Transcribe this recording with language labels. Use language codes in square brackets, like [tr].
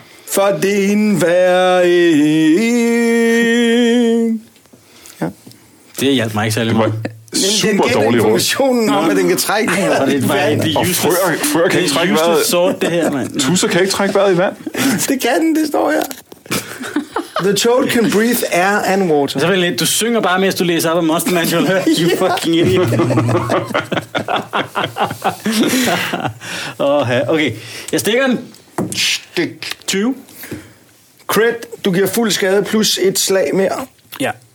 [da] For din væring. Ja. Det hjalp mig ikke særlig meget. Super dårlig råd. Men den gælder informationen om, at den kan trække vejret. Og frøer kan ikke trække vejret. Det er justet sort, det her, mand. Tusser kan ikke trække vejret i vand. Det kan den, det står her. [en] The toad can breathe air and water. [da] Så vil jeg, du synger bare, mens du læser op af Monster Manual. [en] You fucking idiot. [da] Okay, jeg stikker den. Stik. 20. Crit, du giver fuld skade plus et slag mere. Ja.